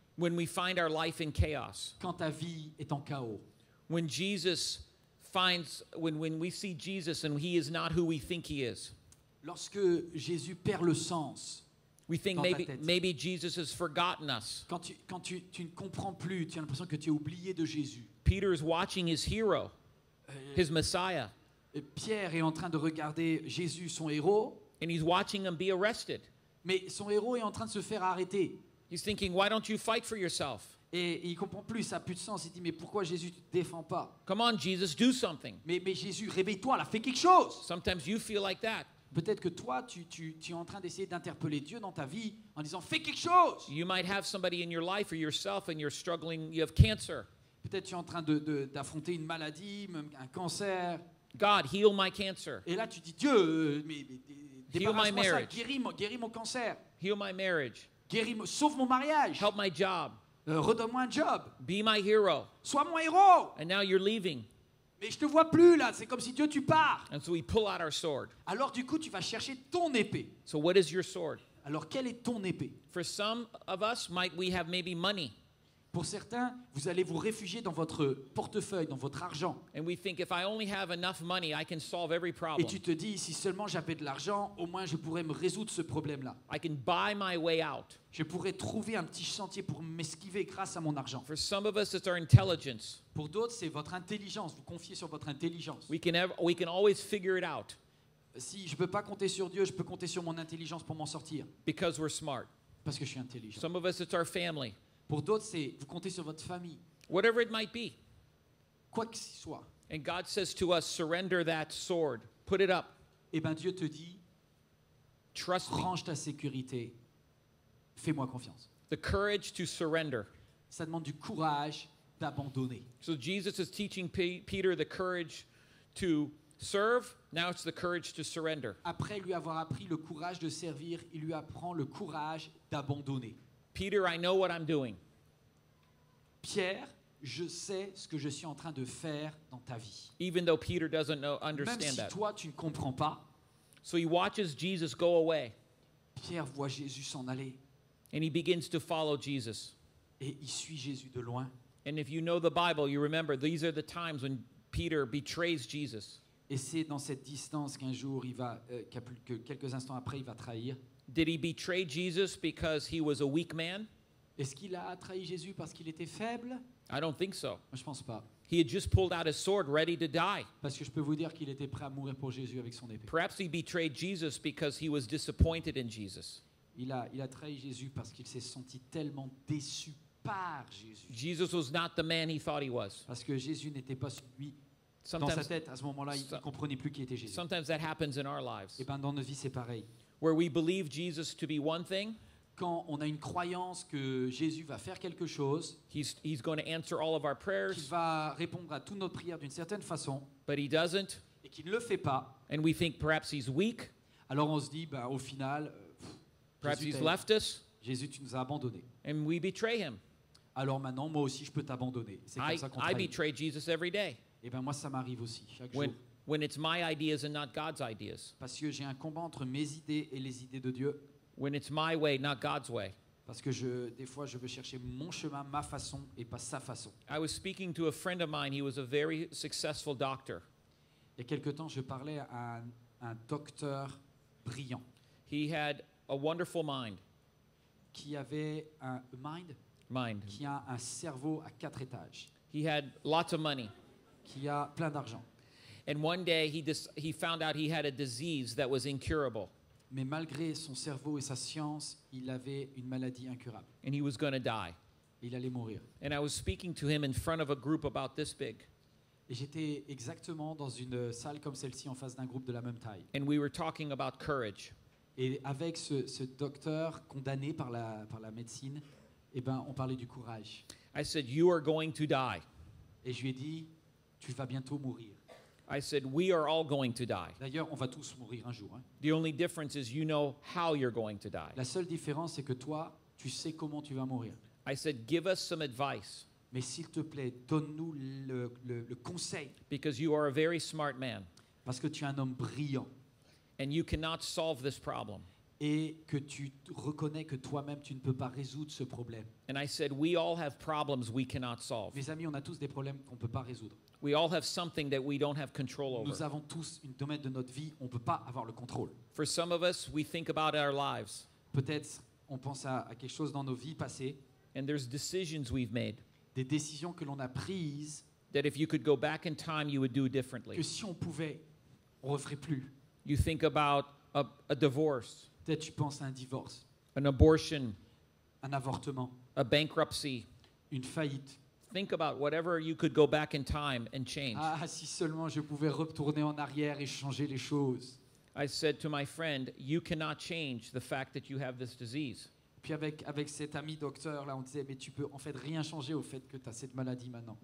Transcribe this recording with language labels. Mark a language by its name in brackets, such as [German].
[English] When we find our life in chaos. [French] Quand ta vie est en chaos. [English] When Jesus finds, when we see Jesus and he is not who we think he is. [French] Lorsque Jésus perd le sens. [English] We think maybe Jesus has forgotten us. [French] Quand tu ne comprends plus, tu as l'impression que tu es oublié de Jésus. [English] Peter is watching his hero, his Messiah. [French] Pierre est en train de regarder Jésus, son héros. [English] And he's watching him be arrested. [French] Mais son héros est en train de se faire arrêter. [English] He's thinking, why don't you fight for yourself? [French] Et il comprend plus, ça a plus de sens. Il dit, mais pourquoi Jésus te défend pas? [English] Come on, Jesus, do something. [French] Mais Jésus, réveille-toi, là, fais quelque chose. [English] Sometimes you feel like that. [French] Peut-être que toi, tu es en train d'essayer d'interpeller Dieu dans ta vie en disant, fais quelque chose. [English] You might have somebody in your life or yourself and you're struggling, you have cancer. [French] Peut-être tu es en train d'affronter une maladie, même un cancer. [English] God, heal my cancer. [French] Et là, tu dis, Dieu, débarrasse-moi ça, guéris mon cancer. [English] Heal my marriage. [French] Sauve mon mariage. [English] Help my job. [French] Redonne-moi un job. [English] Be my hero. [French] Sois mon héros. [English] And now you're leaving. [French] Mais je te vois plus là, c'est comme si Dieu tu pars. [English] And so we pull out our sword. [French] Alors du coup tu vas chercher ton épée. [English] So what is your sword? [French] Alors quelle est ton épée? [English] For some of us might we have maybe money. [French] Pour certains, vous allez vous réfugier dans votre portefeuille, dans votre argent. [English] And we think if I only have enough money, I can solve every problem. [French] Et tu te dis si seulement j'avais de l'argent, au moins je pourrais me résoudre ce problème là. [English] I can buy my way out. [French] Je pourrais trouver un petit chantier pour m'esquiver grâce à mon argent. [English] For some of us, it's our intelligence. [French] Pour d'autres, c'est votre intelligence. Vous confiez sur votre intelligence. [English] We can always figure it out. [French] Si je ne peux pas compter sur Dieu, je peux compter sur mon intelligence pour m'en sortir. [English] Because we're smart. [French] Parce que je suis intelligent. [English] Some of us, it's our family. [French] Pour d'autres, c'est vous comptez sur votre famille. [English] Whatever it might be. [French] Quoi que ce soit. [English] And God says to us, surrender that sword. Put it up. [French] Et bien Dieu te dit, [English] trust [French] range [English] me. [French] Ta sécurité. Fais-moi confiance. [English] The courage to surrender. [French] Ça demande du courage d'abandonner. [English] So Jesus is teaching Peter the courage to serve. Now it's the courage to surrender. [French] Après lui avoir appris le courage de servir, il lui apprend le courage d'abandonner. [English] Peter, I know what I'm doing. [French] Pierre, je sais ce que je suis en train de faire dans ta vie. [English] Even though Peter doesn't know, understand [French] Même si [English] that. [French] Toi, tu ne comprends pas. [English] So he watches Jesus go away. [French] Pierre voit Jésus s'en aller. [English] And he begins to follow Jesus. [French] Et il suit Jésus de loin. [English] And if you know the Bible, you remember these are the times when Peter betrays Jesus. [French] Et c'est dans cette distance qu'un jour il va que quelques instants après il va trahir. [English] Did he betray Jesus because he was a weak man? [French] Est-ce qu'il a trahi Jésus parce qu'il était faible? [English] I don't think so. [French] Je pense pas. [English] He had just pulled out his sword ready to die. [French] Parce que je peux vous dire qu'il était prêt à mourir pour Jésus avec son épée. [English] Perhaps he betrayed Jesus because he was disappointed in Jesus. [French] Il a trahi Jésus parce qu'il s'est senti tellement déçu par Jésus. [English] Jesus was not the man he thought he was. [French] Parce que Jésus n'était pas celui dans sa tête à ce moment-là, il ne comprenait plus qui était Jésus. [English] Sometimes that happens in our lives. [French] Et ben dans nos vies c'est pareil. [English] Where we believe Jesus to be one thing, [French] quand on a une croyance que Jésus va faire quelque chose, [English] he's going to answer all of our prayers, [French] qu'il va répondre à toutes nos prières d'une certaine façon, [English] but he doesn't, [French] et qu'il ne le fait pas, [English] and we think perhaps he's weak, [French] alors on se dit, ben, au final, [English] perhaps he's left us, [French] Jésus, tu nous as abandonnés, [English] and we betray him. [French] Alors maintenant, moi aussi, je peux t'abandonner. C'est comme ça qu'on trahit. [English] I betray Jesus every day. [French] Et ben moi, ça m'arrive aussi, chaque jour. [English] When it's my ideas and not God's ideas. [French] Parce que j'ai un combat entre mes idées et les idées de Dieu. [English] When it's my way, not God's way. [French] Parce que des fois je veux chercher mon chemin, ma façon et pas sa façon. [English] I was speaking to a friend of mine. He was a very successful doctor. [French] Il y a quelque temps, je parlais à un docteur brillant. [English] He had a wonderful mind. [French] Qui avait un mind? [English] Mind. [French] Qui a un cerveau à 4 étages. [English] He had lots of money. [French] Qui a plein d'argent. [English] And one day he found out he had a disease that was incurable. [French] Mais malgré son cerveau et sa science, il avait une maladie incurable. [English] And he was going to die. [French] Il allait mourir. [English] And I was speaking to him in front of a group about this big. [French] Et j'étais exactement dans une salle comme celle-ci en face d'un groupe de la même taille. [English] And we were talking about courage. [French] Et avec ce docteur condamné par la médecine, eh ben on parlait du courage. [English] I said, "You are going to die." [French] Et je lui ai dit, "Tu vas bientôt mourir." [English] I said, we are all going to die. [French] D'ailleurs, on va tous mourir un jour, hein. [English] The only difference is you know how you're going to die. [French] La seule différence, c'est que toi, tu sais comment tu vas mourir. [English] I said, give us some advice. [French] Mais s'il te plaît, donne-nous le conseil. [English] Because you are a very smart man. [French] Parce que tu es un homme brillant. [English] And you cannot solve this problem. [French] Et que tu reconnais que toi-même, tu ne peux pas résoudre ce problème. [English] And I said, we all have problems we cannot solve. [French] Mes amis, on a tous des problèmes qu'on ne peut pas résoudre. [English] We all have something that we don't have control over. [French] Nous avons tous un domaine de notre vie, on ne peut pas avoir le contrôle. [English] For some of us, we think about our lives. [French] Peut-être on pense à quelque chose dans nos vies passées. [English] And there's decisions we've made. [French] Des décisions que l'on a prises. [English] That if you could go back in time, you would do differently. [French] Que si on pouvait, on referait plus. [English] You think about a divorce. [French] Peut-être tu penses à un divorce. [English] An abortion. [French] Un avortement. [English] A bankruptcy. [French] Une faillite. [English] Think about whatever you could go back in time and change. [French] Ah, si seulement je pouvais retourner en arrière et changer les choses. [English] I said to my friend, you cannot change the fact that you have this disease. [French] Puis avec cet ami docteur là, on disait mais tu peux en fait rien changer au fait que tu as cette maladie maintenant.